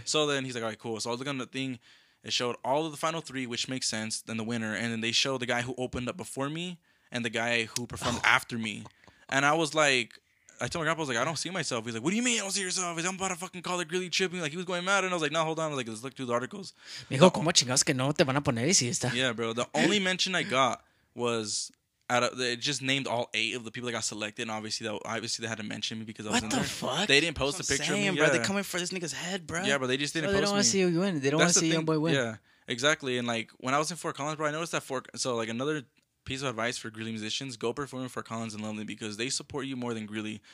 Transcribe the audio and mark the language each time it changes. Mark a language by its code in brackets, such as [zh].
[en] So then he's like, all right, cool. So I was looking at the thing. It showed all of the final three, which makes sense, then the winner. And then they show the guy who opened up before me and the guy who performed after me. And I was like, I told my grandpa, I was like, I don't see myself. He's like, what do you mean I don't see yourself? He's like, I'm about to fucking call the Greeley Tribune. Like, he was going mad. And I was like, no, hold on. I was like, let's look through the articles. [es] Mijo, ¿cómo chingas que no te van a poner si está? [en] Yeah, bro. The only mention I got was, it just named all 8 of the people that got selected. And obviously they had to mention me because I was what in there. What the fuck? They didn't post a picture saying, of me. Bro. Yeah. They're coming for this nigga's head, bro. Yeah, but they just didn't post me. They don't want to see you win. They don't want to see young boy win. Yeah, exactly. And like, when I was in Fort Collins, bro, I noticed that another piece of advice for Greeley musicians, go perform for Fort Collins and Lonely because they support you more than Greeley.